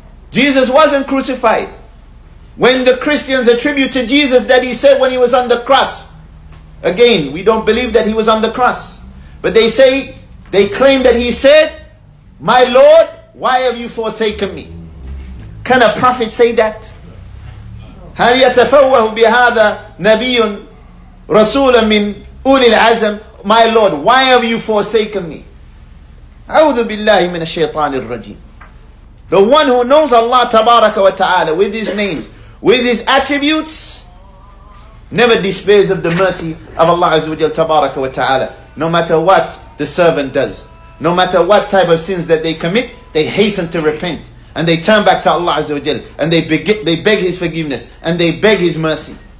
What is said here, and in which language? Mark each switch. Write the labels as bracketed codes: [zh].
[en] Jesus wasn't crucified. When the Christians attribute to Jesus that he said when he was on the cross, again, we don't believe that he was on the cross. But they say, they claim that he said, "My Lord, why have you forsaken me?" Can a prophet say that? [ar] هَلْ يَتَفَوَّهُ بِهَذَا نَبِيٌ رَسُولًا مِنْ أُولِي الْعَزَمِ [en] "My Lord, why have you forsaken me?" [ar] أَعُوذُ بِاللَّهِ مِنَ الشَّيْطَانِ الرَّجِيمِ [en] The one who knows Allah Tabaraka wa Ta'ala with his names, with his attributes, never despairs of the mercy of Allah Azza wa Jalla Tabaraka wa Ta'ala. No matter what the servant does, no matter what type of sins that they commit, they hasten to repent and they turn back to Allah Azza wa Jalla and they beg his forgiveness and they beg his mercy.